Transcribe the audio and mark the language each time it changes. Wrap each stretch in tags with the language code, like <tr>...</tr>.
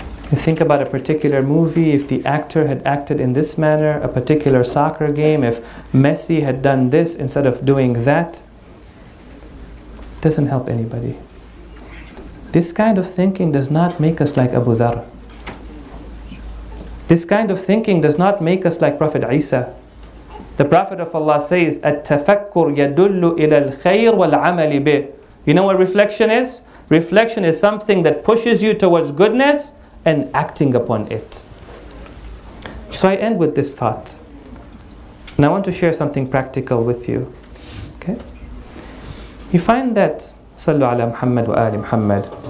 <en>You think about a particular movie, if the actor had acted in this manner, a particular soccer game, if Messi had done this instead of doing that, doesn't help anybody. This kind of thinking does not make us like Abu Dharr. This kind of thinking does not make us like Prophet Isa. The Prophet of Allah says,</en> <ar>"التفكر يدل إلى الخير والعمل به."</ar> <en>You know what reflection is? Reflection is something that pushes you towards goodness and acting upon it. So I end with this thought. And I want to share something practical with you. Okay? You find that,</en> <ar>صلوا على محمد وآل محمد.</ar>